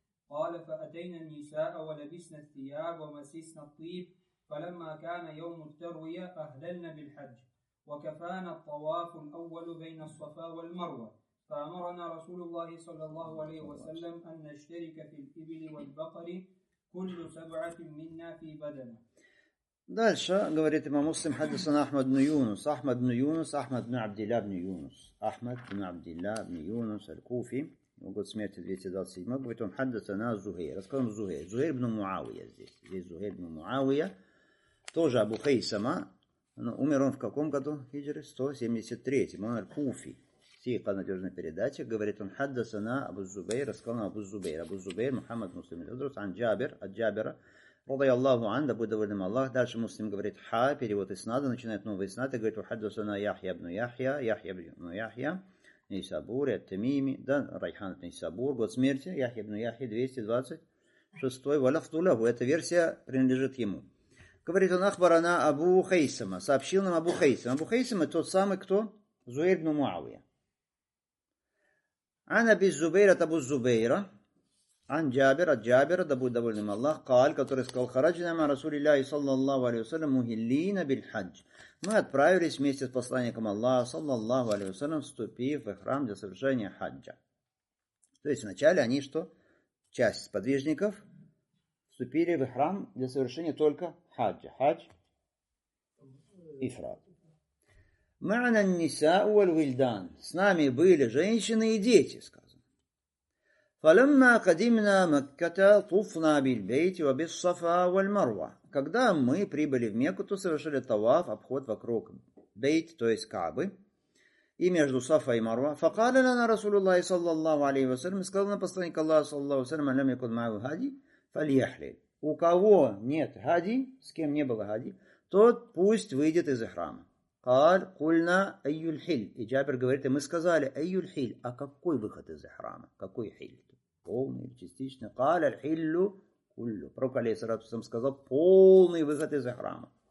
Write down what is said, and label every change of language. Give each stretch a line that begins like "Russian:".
Arabic: قال فأتينا النساء ولبسنا الثياب ومسسنا الطيب فلما كان يوم التروية أهللنا بالحج وكفانا الطواف الأول بين الصفا والمروة فأمرنا رسول الله صلى الله عليه وسلم أن نشترك في الإبل والبقر كل سبعة منا في بدنة.
Russian: Дальше говорит имам Муслим, хадисан Ахмад бин Юнус. Ахмад бин Юнус, Ахмад бин Абдилля бин Юнус. Ахмад бин Абдилля бин Юнус, Аль-Куфи. Год смерти 227. Говорит он, хадисана Зухейр. Расскажем Зухейр. Зухейр бин Муавия здесь. Здесь Зухейр бин Муавия. Тоже Абу Хейсама. Но умер он в каком году? Хиджры? 173. Он Аль-Куфи. Сиха надежная передача. Говорит он, хадисана Абу Зубейр. Рассказал нам Абу Зубейр. Абу Зубейр, Мухаммад Муслим. Ан Джабир, от Джабира. رضي الله عنه да будет доволен Аллах. Дальше муслим говорит ха, перевод иснада, начинает новый иснад и говорит
Arabic: وحدثنا يحيى بن يحيى
Russian: يحيى بن يحيى نيسابور التميمي да райхан нисабур год смерти يحيى بن يحيى 226
Arabic: ولفظ له
Russian: эта версия принадлежит ему. Говорит он ахбарана абу хайсама, сообщил нам абу хайсама. Абу хайсама тот самый кто Зуэйр бин Муавия.
Arabic: عن ابي الزبير ابو الزبير عن جابر الجابر دبوا دبول نم الله قال
Russian: который сказал
Arabic: خرجنا مع رسول الله صلى الله عليه وسلم مهلين بالحج
Russian: мы отправились вместе с посланником Аллаха صلى الله عليه وسلم вступив в храм для совершения хаджа. То есть вначале они что часть сподвижников вступили в храм для совершения только хаджа, хадж ифрад.
Arabic: معنا النساء والولدان,
Russian: с нами были женщины и дети.
Arabic: فَلَمَّا قَدِمْنَا مَكَّةَ طُفْنَا بِالْبَيْتِ وَبِالصَّفَا وَالْمَرْوَةِ.
Russian: Когда мы прибыли в Мекку, то совершили таваф, обход вокруг бейт, то есть Кабы, и между Сафа и Марва.
Arabic: فَقَالَ لَنَا رَسُولُ اللَّهِ صَلَّى اللَّهُ عَلَيْهِ وَسَلَّمَ.
Russian: Сказал нам посланник Аллаха صلى الله عليه وسلم,
Arabic: لَمْ يَكُنْ مَعَهُ هَدِي فَلْيَحْلِلْ.
Russian: У кого нет хади, с кем не было хади, тот пусть выйдет из храма.
Arabic: قَالَ قُلْنَا أَيُّ الْحِلِّ.
Russian: И Джабир говорит, и мы сказали,
Arabic: أَيُّ الْحِلِّ,
Russian: а какой выход из храма? Какой хиль? Полный или частичный?
Arabic: قَالَ الْحِلُّ كُلُّ.
Russian: Пророк алейхиссалям сказал, полный выход из храма.